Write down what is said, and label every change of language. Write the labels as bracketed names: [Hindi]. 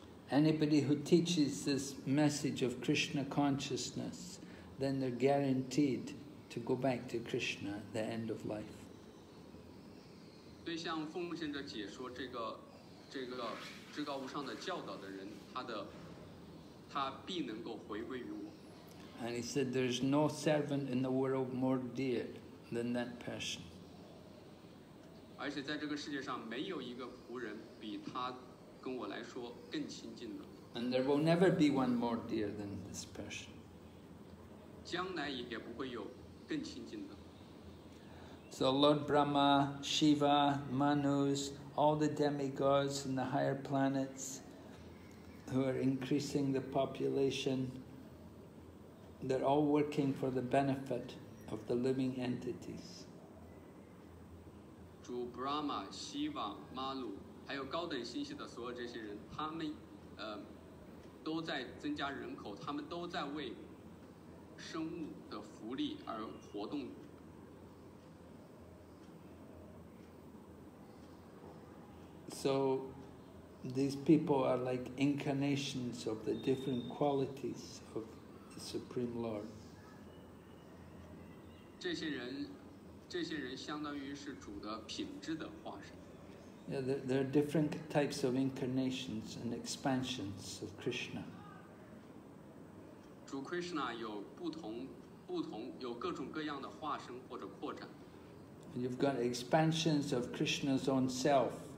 [English] Anybody who teaches this message of Krishna consciousness, then they're guaranteed to go back to Krishna at the end of life. [Chinese] 对像奉献者解说这个至高无上的教导的人，他必能够回归于我。 [English] And he said, there's no servant in the world more dear than that person. [Chinese] 而且在这个世界上没有一个仆人比他跟我来说更亲近的。 [English] And there will never be one more dear than this person. [Chinese] 将来也不会有更亲近的。 [English] So Lord Brahma, Shiva, Manus, all the demigods in the higher planets who are increasing the population, they're all working for the benefit of the living entities. [Chinese] 主 Brahma, Shiva, Manu, 还有高等星系的所有这些人，他们，都在增加人口，他们都在为生物的福利而活动。 [English] So, these people are like incarnations of the different qualities of the Supreme Lord. [Chinese] 这些人相当于是主的品质的化身。 [English] Yeah, there are different types of incarnations and expansions of Krishna. [Chinese] 主 Krishna 有不同有各种各样的化身或者扩展。 [English] And you've got expansions of Krishna's own self.